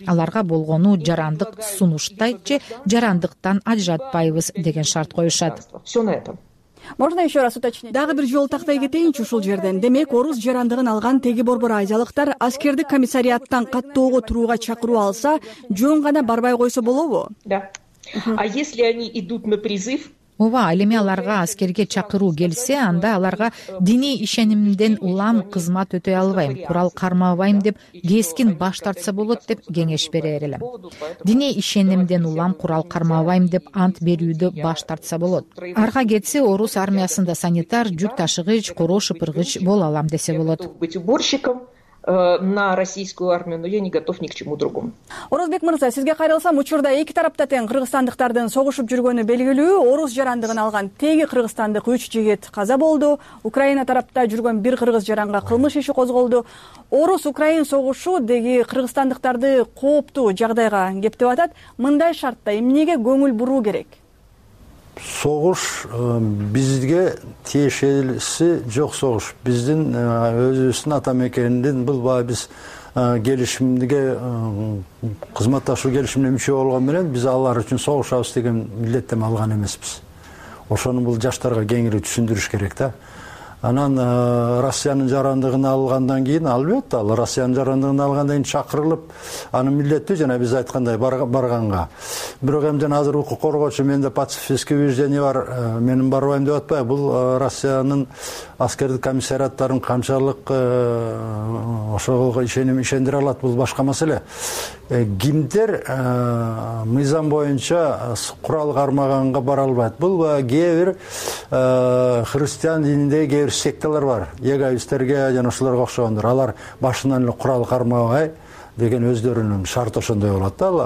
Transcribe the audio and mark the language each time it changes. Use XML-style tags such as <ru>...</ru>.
<ky>Аларга болгону жарандык сунуштайт же жарандыктан ажыратпайбыз деген шарт коюшат.</ky> <ru>Можно еще раз уточнить?</ru> <ky>Дагы бир жолу тактай кетейинчи ушул жерден. Демек, орус жарандыгын алган теги борбор азиялыктар аскердик комиссариаттан каттоого турууга чакыруу алса, жөн гана барбай койсо болобу?</ky> <ru>Да. А если они идут на призыв?</ru> <ky>Ооба, ал эми аларга аскерге чакыруу келсе, анда аларга диний ишенимден улам кызмат өтөй албайм, курал кармабайм деп кескин баш тартса болот деп кеңеш берер элем. Диний ишенимден улам курал кармабайм деп ант берүүдө баш тартса болот. Арга кетсе, орус армиясында санитар, жүк ташыгыч, короо шыпыргыч боло алам десе болот.</ky> <ru>На российскую армию, но я не готов ни к чему другому.</ru> <ky>Орусбек мырза, сизге кайрылсам, учурда эки тарапта тең кыргызстандыктардын согушуп жүргөнү белгилүү. Орус жарандыгын алган теги кыргызстандык 3 жигит каза болду. Украина тарапта жүргөн 1 кыргыз жаранга кылмыш иши козголду. Орус-Украин согушу деги кыргызстандыктарды кооптуу жагдайга кептеп атат. Мындай шартта эмнеге көңүл буруу керек? Согуш бизге тиешеси жок согуш. Биздин өзүбүздүн ата мекенибиздин бул баягы биз келишимге кызматташуу келишимине мүчө болгон менен биз алар үчүн согушабыз деген милдеттенме алган эмеспиз. Ошону бул жаштарга кеңири түшүндүрүш керек да. Анан Россиянын жарандыгын алгандан кийин албетте ал Россиянын жарандыгын алгандан кийин чакырылып анын милдети жана биз айткандай барганга. Бирок эми жана азыр укук коргоочу менде</ky> <ru>пацифисткий убеждение</ru> <ky>бар, менин барбайм деп атпайбы. Бул Россиянын аскердик комиссариаттарын канчалык ошого ишеним ишендире алат, бул башка маселе. Кимдер мыйзам боюнча курал кармаганга бара албайт? Бул кээ бир христиан дининдеги кээ бир секталар бар, еговисттерге жана ошолорго окшогондор, алар башынан эле курал кармабай деген өздөрүнүн шарты ошондой болот да.</ky>